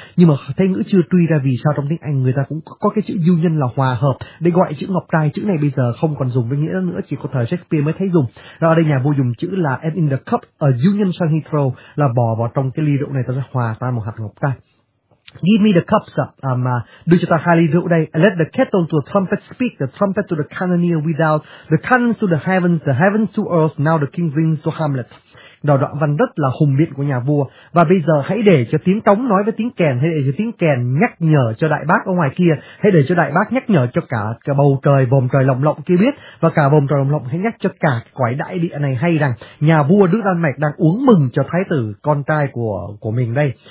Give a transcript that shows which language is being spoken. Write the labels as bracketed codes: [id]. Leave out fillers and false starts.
[vi] Nhưng mà thấy ngữ chưa truy ra vì sao trong tiếng Anh người ta cũng có cái chữ union là hòa hợp để gọi chữ ngọc trai. Chữ này bây giờ không còn dùng với nghĩa nữa, chỉ có thời Shakespeare mới thấy dùng. Rồi ở đây nhà vua dùng chữ là [en] and in the cup a union shall he throw, [vi] là bỏ vào trong cái ly rượu này ta sẽ hòa tan một hạt ngọc trai. [en] Give me the cups up, [vi] đưa cho ta hai ly rượu đây. [en] I let the kettle to the trumpet speak, the trumpet to the cannoneer without, the cannons to the heavens to earth, now the king rings to Hamlet. [vi] Đầu đoạn văn rất là hùng biện của nhà vua. Và bây giờ hãy để cho tiếng trống nói với tiếng kèn, hãy để cho tiếng kèn nhắc nhở cho đại bác ở ngoài kia, hãy để cho đại bác nhắc nhở cho cả bầu trời, vòng trời lồng lộng kia biết, và cả vòng trời lồng lộng hãy nhắc cho cả quái đại địa này hay rằng nhà vua nước Đan Mạch đang uống mừng cho thái tử con trai của mình đây.